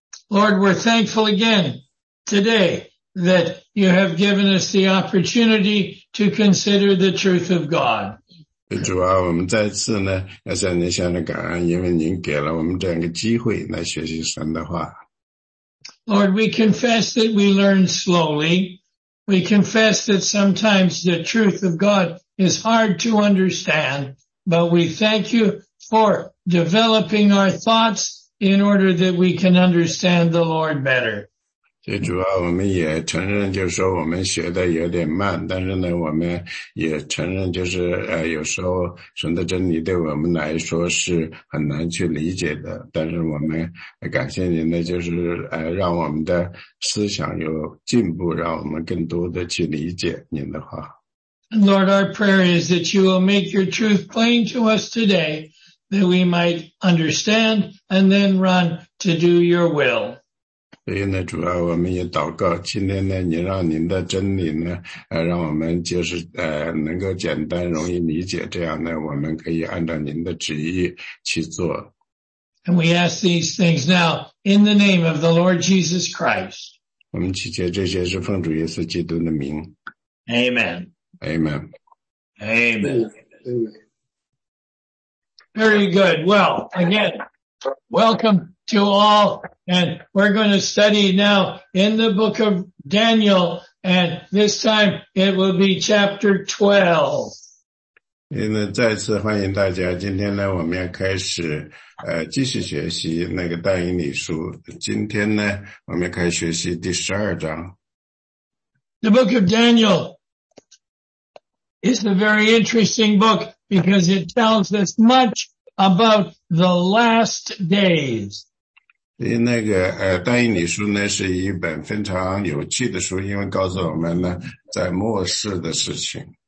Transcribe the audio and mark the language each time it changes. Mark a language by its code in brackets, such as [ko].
[en] Lord, we're thankful again today that you have given us the opportunity to consider the truth of God. [zh] 主啊，我们再次呢，要向您献上感恩，因为您给了我们这样一个机会来学习神的话。 [en] Lord, we confess that we learn slowly. We confess that sometimes the truth of God is hard to understand, but we thank you for developing our thoughts in order that we can understand the Lord better. [zh] 主啊，我们也承认，就是说我们学的有点慢，但是呢，我们也承认，就是有时候神的真理对我们来说是很难去理解的。但是我们感谢您呢，就是让我们的思想有进步，让我们更多的去理解您的话。 [en] Lord, our prayer is that you will make your truth plain to us today, that we might understand and then run to do your will. [zh] 所以呢，主啊，我们也祷告，今天呢，你让您的真理呢，让我们就是能够简单容易理解，这样呢，我们可以按照您的旨意去做。 [en] And we ask these things now in the name of the Lord Jesus Christ. [zh] 我们祈求这些是奉主耶稣基督的名。 [en] Amen. Amen. Amen. Very good. Well, again, welcome to all, and we're going to study now in the book of Daniel, and this time it will be chapter 12. [zh] 那再次欢迎大家，今天呢，我们要开始继续学习那个但以理书。今天呢，我们要开始学习第十二章。 [en] The book of Daniel is a very interesting book because it tells us much about the last days. [zh] 所以那个但以理书呢是一本非常有趣的书，因为告诉我们呢在末世的事情。